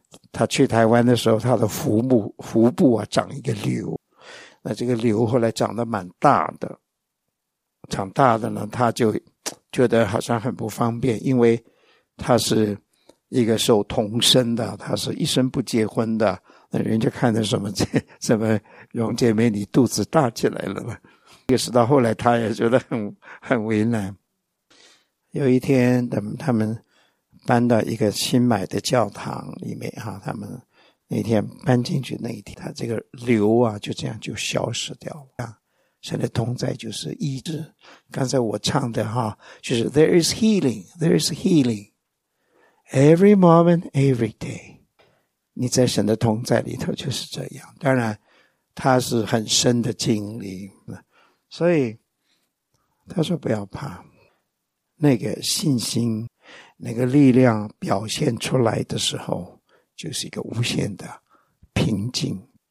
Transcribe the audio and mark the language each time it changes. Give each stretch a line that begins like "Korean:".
Chinese: 他去台湾的时候，他的腹部啊长一个瘤，那这个瘤后来长得蛮大的，长大的呢，他就觉得好像很不方便，因为他是一个受童身的，他是一生不结婚的，那人家看的什么这什么荣姐妹你肚子大起来了，也是到后来他也觉得很为难。有一天他们。搬到一个新买的教堂里面哈，他们那天搬进去那一天，他这个瘤啊就这样就消失掉了。神的同在就是医治，刚才我唱的哈，就是
English: There is healing, there is healing, every moment, every day。
Chinese: 你在神的同在里头就是这样，当然他是很深的经历，所以他说不要怕，那个信心。那个力量表现出来的时候，就是一个无限的平静。